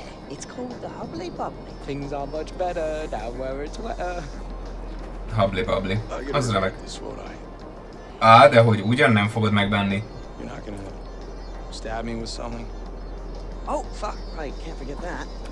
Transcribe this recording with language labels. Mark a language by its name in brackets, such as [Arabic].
[English] It's called the Hubbly Bubbly. Things are much better down where it's wetter. [Hungarian] Hubbly Bubbly. Az remek. Á, de hogy ugyan nem fogod megbánni. [English] You're not gonna stab me with something. Oh, fuck, I can't forget that.